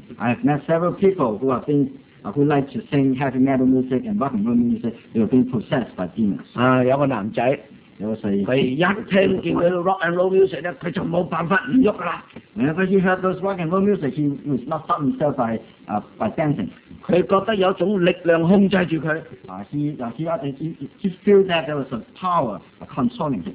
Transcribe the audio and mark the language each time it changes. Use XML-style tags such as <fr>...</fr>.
<en>I have met several people who have been who like to sing heavy metal music and rock and roll music. They have been possessed by demons。</en> <yue>有個男仔，有細佢一聽見嗰啲 rock and roll music 咧，佢就冇辦法唔喐噶啦。</yue> <en>Whenever he heard those rock and roll music, he was not stop himself by dancing。</en> <yue>佢覺得有種力量控制住佢。</yue> <en>He feel that there was a power controlling him。</en>